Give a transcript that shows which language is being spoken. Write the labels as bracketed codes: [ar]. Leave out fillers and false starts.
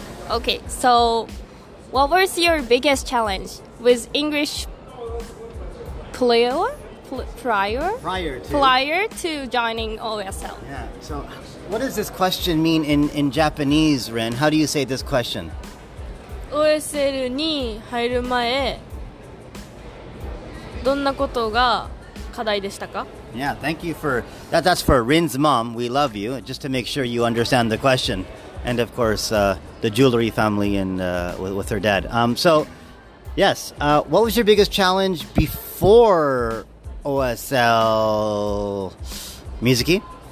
[en] Okay, so what was your biggest challenge with English prior to joining OSL? Yeah, so what does this question mean in Japanese, Rin? How do you say this question? [ja] OSL に入る前、どんなことが課題でしたか? [en] Yeah, thank you for that. That's for Rin's mom. We love you. Just to make sure you understand the question. And of course, the jewelry family and with her dad. Yes, what was your biggest challenge before OSL, Mizuki?